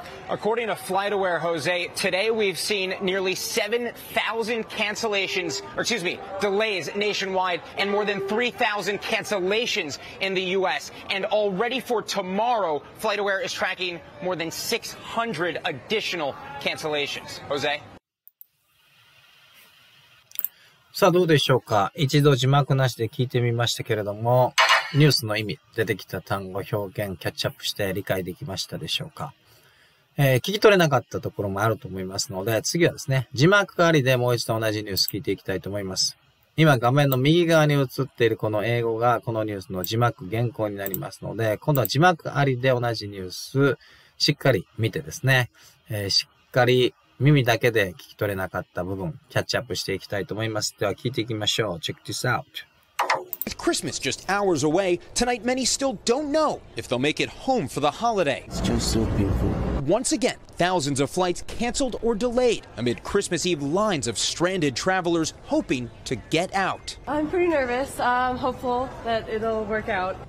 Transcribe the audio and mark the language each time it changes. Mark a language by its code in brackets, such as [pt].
[en] According to FlightAware, Jose, today we've seen nearly 7,000 cancellations, or excuse me, delays nationwide, and more than 3,000 cancellations in the U.S. And already for tomorrow, FlightAware is tracking more than 600 additional cancellations. Jose? [ja] さあ、どうでしょうか。一度字幕なしで聞いてみましたけれども、ニュースの意味、出てきた単語表現、キャッチアップして理解できましたでしょうか。聞き取れなかったところもあると思いますので、次はですね、字幕ありでもう一度同じニュース聞いていきたいと思います。今画面の右側に映っているこの英語がこのニュースの字幕原稿になりますので、今度は字幕ありで同じニュースしっかり見てですね、しっかり耳だけで聞き取れなかった部分キャッチアップしていきたいと思います。では聞いていきましょう。 [en] Check this out. Christmas just hours away. Tonight, many still don't know if they'll make it home for the holiday. It's just so beautiful. Once again, thousands of flights canceled or delayed amid Christmas Eve lines of stranded travelers hoping to get out. I'm pretty nervous. I'm hopeful that it'll work out.